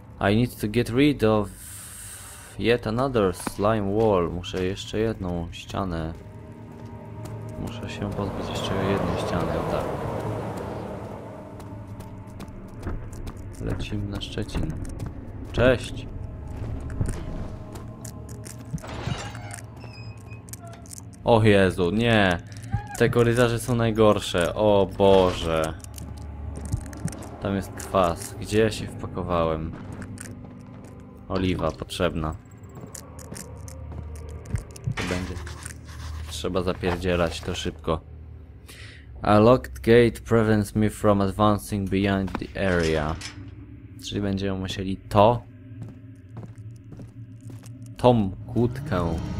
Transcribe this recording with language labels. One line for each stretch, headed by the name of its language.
English: I need to get rid of yet another slime wall.
Polish: Muszę jeszcze jedną ścianę. Muszę się pozbyć jeszcze jednej ściany, tak. Lecimy na Szczecin. Cześć! O Jezu, nie! Te korytarze są najgorsze, o Boże! Tam jest kwas, gdzie ja się wpakowałem? Oliwa potrzebna. To będzie. Trzeba zapierdzielać to szybko.
English: A locked gate prevents me from advancing beyond the area.
Polish: Czyli będziemy musieli to... tą kłódkę.